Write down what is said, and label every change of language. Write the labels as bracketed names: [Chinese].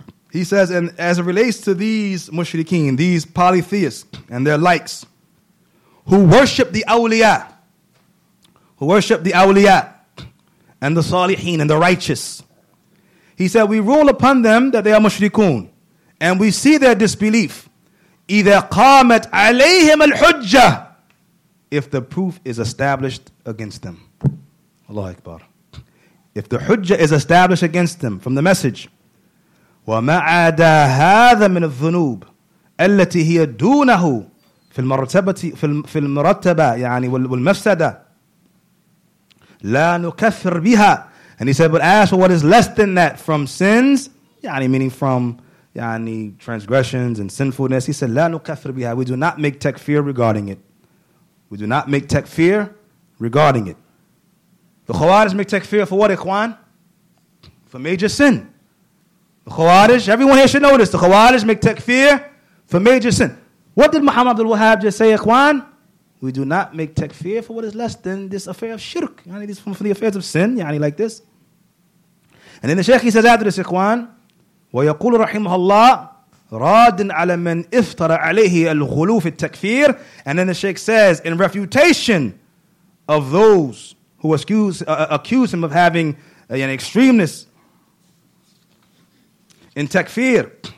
[English] He says, and as it relates to these mushrikeen, these polytheists and their likes, who worship the awliya, who worship the awliya and the salihin and the righteous, He said, we rule upon them that they are mushrikun, and we see their disbelief. [Arabic] إِذَا قَامَتْ عَلَيْهِمَ الْحُجَّةِ, [English] if the proof is established against them. Allahu Akbar. If the hujjah is established against them from the message, [Arabic] وَمَا عَدَى هَذَا مِنَ الذُّنُوبِ الَّتِي هِيَ دُونَهُ فِي الْمَرْتَبَةِ فِي الْمَرْتَبَةِ يعني وَالْمَفْسَدَةِ لَا نُكَفِّرْ بِهَا. [English] And he said, but ask for what is less than that from sins, يعني meaning from يعني transgressions and sinfulness. He said, [Arabic] لَا نُكَفِّرْ بِهَا, [English] we do not make takfir regarding it. We do not make takfir regarding it. The Khawarij make takfir for what, Ikhwan? For major sin. The Khawarij, everyone here should know this. The Khawarij make takfir for major sin. What did Muhammad Abdul Wahhab just say, Ikhwan? We do not make takfir for what is less than this affair of shirk. Yani this from the affairs of sin, yani like this. And then the Shaykh, he says after this, Ikhwan, [Arabic] ويقول رحمه الله راد على من افترى عليه الغلو في التكفير. [English] And then the Shaykh says, in refutation of those who accuse him of having an extremeness in takfir.